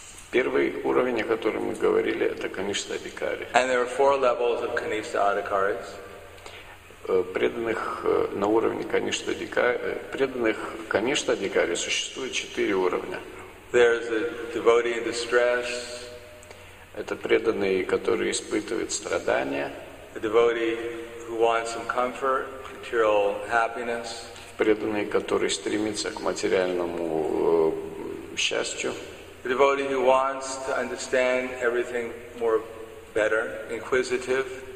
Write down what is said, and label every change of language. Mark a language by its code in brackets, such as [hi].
[ru] Первый уровень, о котором мы говорили, это Kanista Adhikari. [en] And there are four levels of Kanista Adhikaris. [ru] Преданных на уровне Kanista Adhikari, преданных Kanista Adhikari существует четыре уровня. [en] There's a devotee in distress. [ru] Это преданный, который испытывает страдания. [en] A devotee who wants some comfort, material happiness. [ru] Преданный, который стремится к материальному счастью. [en] A devotee who wants to understand everything more better, inquisitive.